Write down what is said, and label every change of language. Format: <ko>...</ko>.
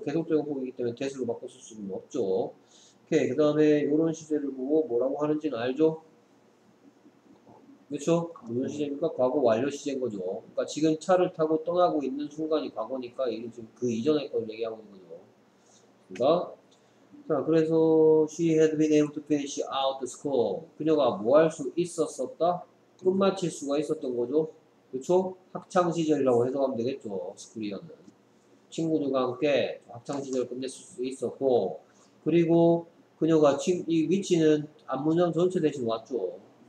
<ko>계속적인 호흡이기 때문에 대수로 바꿔 쓸 수는 없죠. 오케이. 그 다음에 이런 시제를 보고 뭐라고 하는지는 알죠? 그렇죠? 무슨 시제입니까? 과거 완료 시제인 거죠. 그러니까 지금 차를 타고 떠나고 있는 순간이 과거니까 이게 지금 그 이전의 걸 얘기하고 있는 거죠. 그러니까 자, 그래서</ko> <en>she had been able to finish out the school.</en> <ko>그녀가 뭐 할 수 있었었다? 끝마칠 수가 있었던 거죠. 그렇죠? 학창 시절이라고 해석하면 되겠죠. 스쿨이었는 친구들과 함께 학창 시절을 끝냈을 수 있었고, 그리고 그녀가 이 위치는 안문장 전체 대신 왔죠.</ko>